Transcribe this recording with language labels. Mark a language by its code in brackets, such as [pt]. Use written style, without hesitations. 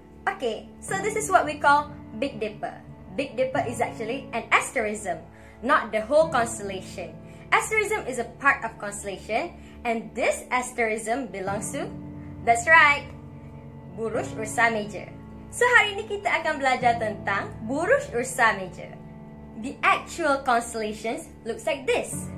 [en] Okay, so this is what we call Big Dipper. Big Dipper is actually an asterism, not the whole constellation. Asterism is a part of constellation, and this asterism belongs to, that's right, buruj Ursa Major. So [ms] hari ini kita akan belajar tentang buruj Ursa Major. [en] The actual constellations looks like this.